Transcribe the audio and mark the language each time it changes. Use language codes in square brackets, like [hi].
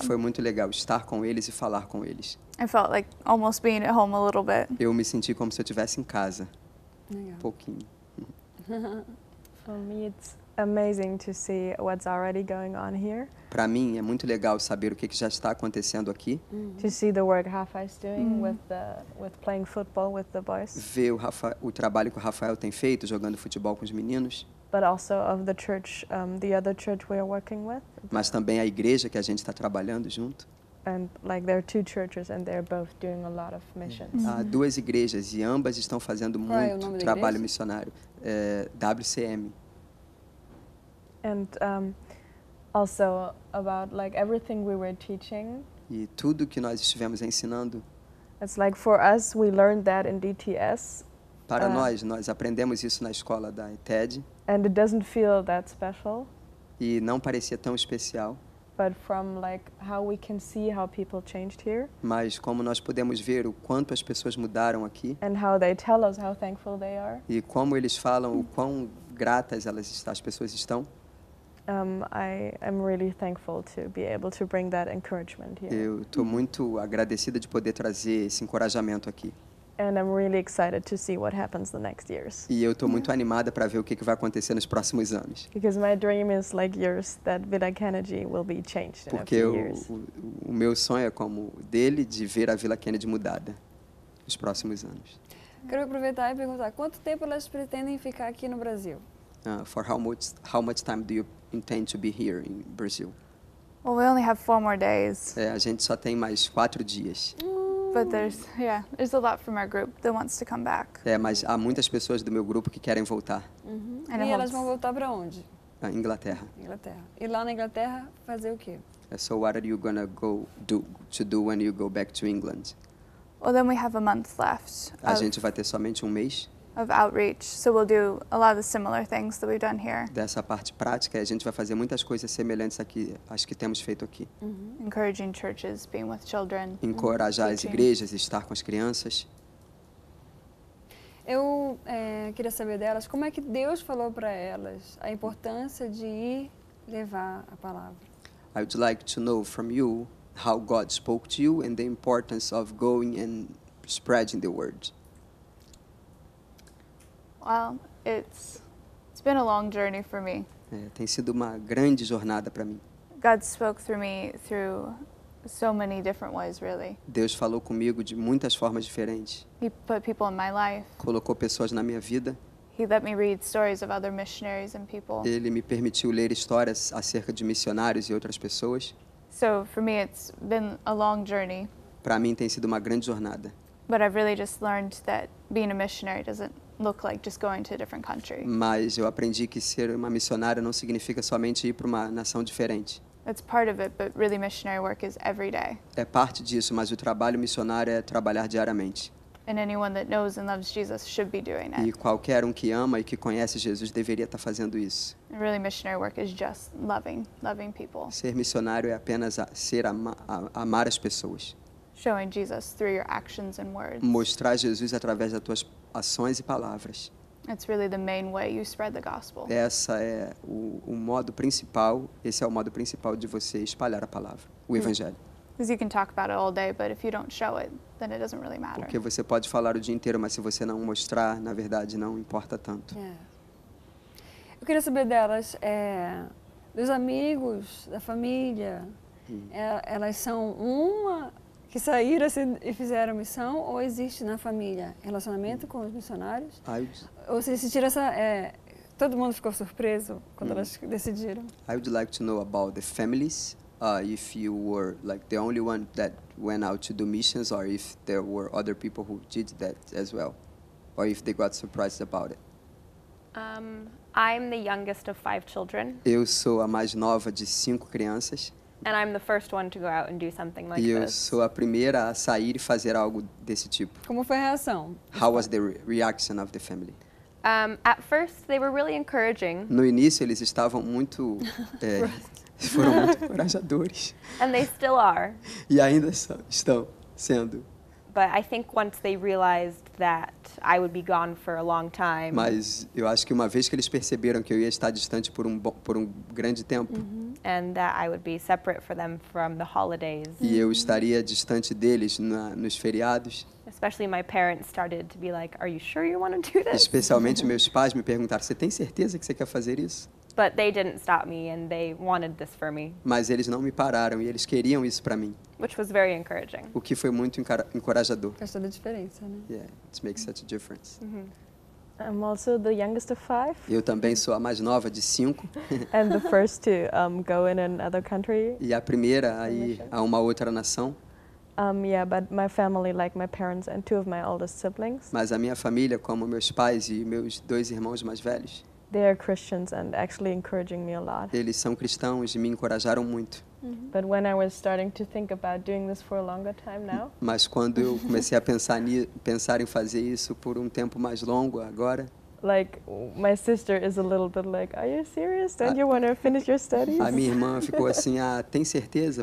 [pt] Foi muito legal estar com eles e falar com eles. [en] I felt like almost being at home a little bit. [pt] Eu me senti como se eu estivesse em casa. Um pouquinho. [en] For me, it's amazing to see what's already going on here. [pt] Para mim é muito legal saber o que já está acontecendo aqui. [en] To see the work Rafael's doing with playing football with the boys. [pt] Ver o trabalho que o Rafael tem feito jogando futebol com os meninos. [en] But also of the church, the other church we are working with. [pt] Mas também a igreja que a gente está trabalhando junto. [en] And like there are two churches and they're both doing a lot of missions. [pt] Há duas igrejas e ambas estão fazendo muito trabalho missionário. [en] WCM. And also about like everything we were teaching. [pt] E tudo que nós estivemos ensinando. [en] It's like for us we learned that in DTS. [pt] Para nós aprendemos isso na escola da ETED. [en] And it doesn't feel that special. [pt] E não parecia tão especial. [en] but from like how we can see how people changed here. [pt] Mas como nós podemos ver o quanto as pessoas mudaram aqui. [en] And how they tell us how thankful they are. [pt] E como eles falam o quão gratas elas estão, as pessoas estão. [en] I am really thankful to be able to bring that encouragement here. [pt] Eu estou muito agradecida de poder trazer esse encorajamento aqui. [en] And I'm really excited to see what happens the next years. [pt] E eu estou muito animada para ver o que vai acontecer nos próximos anos. [en] Because my dream is like yours, that Villa Kennedy will be changed in [pt] Porque [en] a few years. [pt] Porque o meu sonho é como dele de ver a Villa Kennedy mudada nos próximos anos. Quero aproveitar e perguntar quanto tempo elas pretendem ficar aqui no Brasil? [en] For how much time do you intend to be here in Brazil? Well, we only have 4 more days. [pt] É, a gente só tem mais 4 dias. [en] But there's a lot from our group that wants to come back. [pt] É, mas há muitas pessoas do meu grupo que querem voltar. Uhum. E elas vão voltar para onde? Na Inglaterra. Inglaterra. E lá na Inglaterra fazer o quê? [en] So what are you gonna do when you go back to England? Well, then we have a month left. [pt] A gente vai ter somente um mês. [en] Of outreach, so we'll do a lot of the similar things that we've done here. [pt] Dessa parte prática, a gente vai fazer muitas coisas semelhantes aqui, acho que temos feito aqui. [en] Mm-hmm. Encouraging churches, being with children. [pt] Encorajar as igrejas, estar com as crianças. Eu queria saber delas como é que Deus falou para elas a importância de ir levar a palavra. [en] I would like to know from you how God spoke to you and the importance of going and spreading the word. Well, it's been a long journey for me. [pt] Tem sido uma grande jornada para mim. [en] God spoke through me through so many different ways, really. [pt] Deus falou comigo de muitas formas diferentes. [en] He put people in my life. [pt] Colocou pessoas na minha vida. [en] He let me read stories of other missionaries and people. [pt] Ele me permitiu ler histórias acerca de missionários e outras pessoas. [en] So for me, it's been a long journey. [pt] Para mim tem sido uma grande jornada. [en] But I've really just learned that being a missionary doesn't look like just going to a different country. [pt] Mas eu aprendi que ser uma missionária não significa somente ir para uma nação diferente. [en] It's part of it, but really missionary work is every day. [pt] É parte disso, mas o trabalho missionário é trabalhar diariamente. [en] And anyone that knows and loves Jesus should be doing it. [pt] E qualquer um que ama e que conhece Jesus deveria estar fazendo isso. [en] And really missionary work is just loving people. [pt] Ser missionário é apenas amar as pessoas. [en] Showing Jesus through your actions and words. [pt] Mostrar Jesus através das tuas ações e palavras. [en] It's really the main way you spread the gospel. [pt] Essa é o modo principal, esse é o modo principal de você espalhar a palavra, o evangelho. [en] Because you can talk about it all day, but if you don't show it, then it doesn't really matter. [pt] Porque você pode falar o dia inteiro, mas se você não mostrar, na verdade não importa tanto. Yeah. Eu queria saber delas, dos amigos, da família. Elas são uma que saíram e fizeram missão, ou existe na família relacionamento com os missionários? Ou se sentiram essa... todo mundo ficou surpreso quando elas decidiram. [en] I would like to know about the families, if you were like the only one that went out to do missions, or if there were other people who did that as well, or if they got surprised about it. I'm the youngest of 5 children. [pt] Eu sou a mais nova de 5 crianças. [en] And I'm the first one to go out and do something like this. [pt] E eu sou a primeira a sair e fazer algo desse tipo. Como foi a reação? [en] How was the reaction of the family? At first, they were really encouraging. [pt] No início, eles estavam muito... foram muito encorajadores. [en] And they still are. [pt] E ainda estão sendo. [en] But I think once they realized that I would be gone for a long time. [pt] Mas eu acho que uma vez que eles perceberam que eu ia estar distante por um grande tempo. Mm-hmm. [en] And that I would be separate for them from the holidays. [pt] E eu estaria distante deles nos feriados. [en] Especially my parents started to be like, "Are you sure you want to do this?" [pt] Especialmente meus pais me perguntaram, "Você tem certeza que você quer fazer isso?" [en] But they didn't stop me and they wanted this for me. [pt] Mas eles não me pararam e eles queriam isso para mim. [en] Which was very encouraging. [pt] O que foi muito encorajador. Faz toda a diferença, né? [en] Yeah, it makes such a difference. Mm-hmm. I'm also the youngest of 5. [pt] Eu também sou a mais nova de 5. [en] And the first to go in another country. [pt] E a primeira a ir a uma outra nação. [en] Yeah, but my family, like my parents and 2 of my oldest siblings. [pt] Mas a minha família, como meus pais e meus 2 irmãos mais velhos. [en] They are Christians and actually encouraging me a lot. [pt] Eles são cristãos e me encorajaram muito. [en] But when I was starting to think about doing this for a longer time now. [pt] Mas quando eu comecei a pensar em fazer isso por um tempo mais longo agora. [en] like my sister is a little bit like, are you serious? Don't you want to finish your studies? [pt] A minha irmã ficou assim, ah, tem certeza?